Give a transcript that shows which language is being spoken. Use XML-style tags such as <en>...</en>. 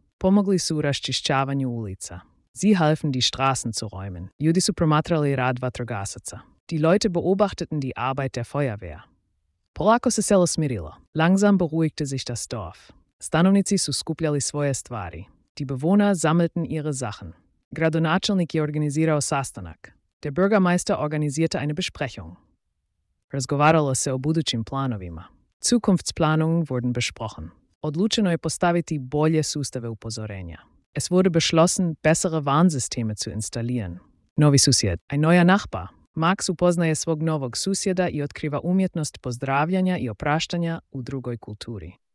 <hr>Pomogli su u raščišćavanju ulica.</hr> <de>Sie halfen, die Straßen zu räumen.</de> <hr>Ljudi su promatrali rad vatrogasaca.</hr> <de>Die Leute beobachteten die Arbeit der Feuerwehr.</de> <hr>Polako se selo smirilo.</hr> <de>Langsam beruhigte sich das Dorf.</de> <hr>Stanovnici su skupljali svoje stvari.</hr> <de>Die Bewohner sammelten ihre Sachen.</de> <hr>Gradonačelnik je organizirao sastanak.</hr> <de>Der Bürgermeister organisierte eine Besprechung.</de> <hr>Razgovaralo se o budućim planovima.</hr> <de>Zukunftsplanungen wurden besprochen.</de> <hr>Odlučeno je postaviti bolje sustave upozorenja.</hr> <de>Es wurde beschlossen, bessere Warnsysteme zu installieren.</de> <hr>Novi susjed,</hr> <de>ein neuer Nachbar.</de> <hr>Max upoznaje svog novog susjeda i otkriva umjetnost pozdravljanja i opraštanja u drugoj kulturi.</hr>